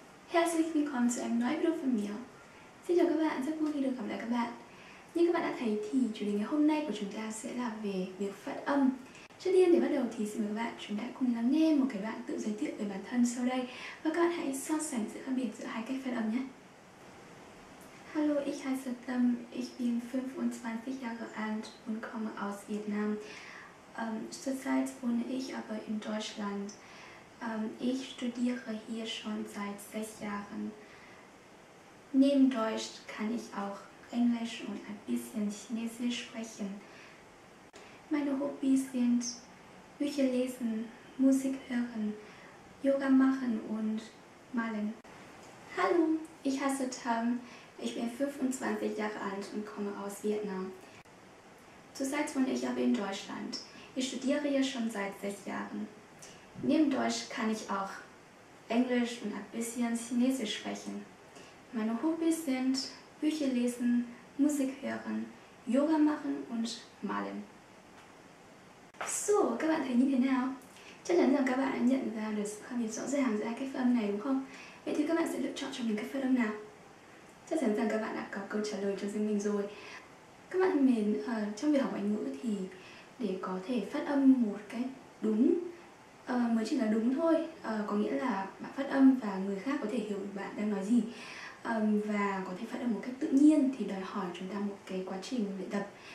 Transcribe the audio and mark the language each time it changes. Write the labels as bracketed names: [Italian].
[Vietnamese] Classic Unicorn sẽ em nói video phần nhiều. Xin chào các bạn, rất vui khi được gặp lại các bạn. Như các bạn đã thấy thì chủ đề ngày hôm nay của chúng ta sẽ là về việc phát âm. Trước tiên để bắt đầu thì xin mời các bạn chúng ta cùng lắng nghe một cái đoạn tự giới thiệu về bản thân sau đây. Và các bạn hãy so sánh sự khác biệt giữa hai cách phát âm nhé. [German] Hallo, ich heiße Tâm, ich bin 25 Jahre alt und komme aus Vietnam. Zurzeit wohne ich aber in Deutschland. Ich studiere hier schon seit 6 Jahren. Neben Deutsch kann ich auch Englisch und ein bisschen Chinesisch sprechen. Meine Hobbys sind Bücher lesen, Musik hören, Yoga machen und malen. Hallo, ich heiße Tam. Ich bin 25 Jahre alt und komme aus Vietnam. Zurzeit wohne ich aber in Deutschland. Ich studiere hier schon seit 6 Jahren. Neben Deutsch kann ich auch Englisch und ein bisschen Chinesisch sprechen. Meine Hobbys sind Bücher lesen, Musik hören, Yoga machen und malen. [Vietnamese] So, các bạn thấy như thế nào? Chắc chắn rằng các bạn đã nhận ra được sự khác biệt rõ ràng giữa cách phát âm này đúng không? Vậy thì các bạn sẽ lựa chọn cho mình cách phát âm nào? Chắc chắn rằng các bạn đã có câu trả lời cho riêng mình rồi. Các bạn mến, trong việc học ngoại ngữ thì để có thể phát âm một cách đúng mới chỉ là đúng thôi, có nghĩa là bạn phát âm và người khác có thể hiểu bạn đang nói gì, và có thể phát âm một cách tự nhiên thì đòi hỏi chúng ta một cái quá trình luyện tập.